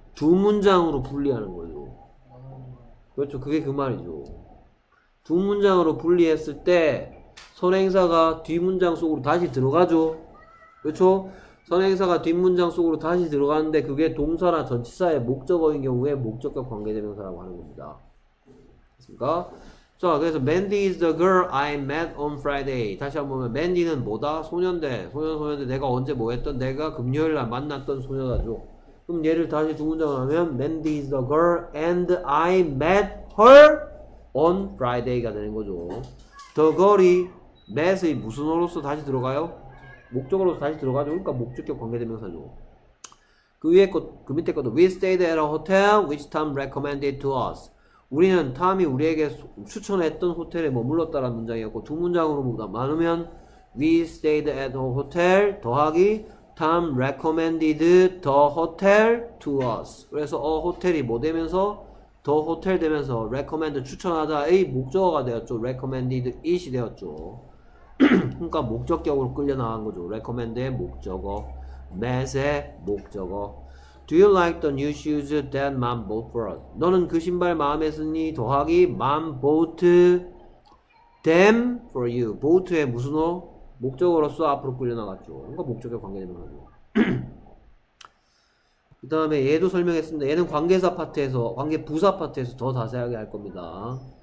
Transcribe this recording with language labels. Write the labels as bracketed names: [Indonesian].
[Korean] 두 문장으로 분리하는 거죠. 그렇죠. 그게 그 말이죠. 두 문장으로 분리했을 때, 선행사가 뒷문장 속으로 다시 들어가죠. 그렇죠? 선행사가 뒷문장 속으로 다시 들어가는데, 그게 동사나 전치사의 목적어인 경우에 목적격 관계대명사라고 하는 겁니다. 됐습니까? 자, 그래서 [English] Mandy is the girl I met on Friday. [Korean] 다시 한번 보면, Mandy는 뭐다? 소년대. 소년대. 내가 언제 뭐 했던? 내가 금요일날 만났던 소녀다죠. 그럼 얘를 다시 두문장 하면, [English] Mandy is the girl and I met her on Friday가 [Korean] 되는 거죠. The girl이 met의 무슨 어로서 다시 들어가요? 목적으로 다시 들어가죠. 그러니까 목적격 관계대명사죠. 그 위에 것, 그 밑에 것도 [English] We stayed at a hotel which Tom recommended to us. [Korean] 우리는 탐이 우리에게 추천했던 호텔에 머물렀다라는 문장이었고 두 문장으로 보다 많으면 [English] We stayed at a hotel 더하기 Tom recommended the hotel to us. [Korean] 그래서 호텔이 뭐 되면서 더 호텔 되면서 recommend 추천하다의 목적어가 되었죠. recommended it이 되었죠. 그러니까 목적격으로 끌려나간 거죠. recommend의 목적어, met의 목적어. [English] Do you like the new shoes that mom bought for us? [Korean] 너는 그 신발 마음에 쓰니? [English] 더하기 mom bought them for you. [Korean] bought의 무슨 어? 목적어로서 앞으로 끌려나갔죠. 그러니까 목적격 관계되는 거죠. 그 다음에 얘도 설명했습니다. 얘는 관계사 파트에서, 관계 부사 파트에서 더 자세하게 할 겁니다.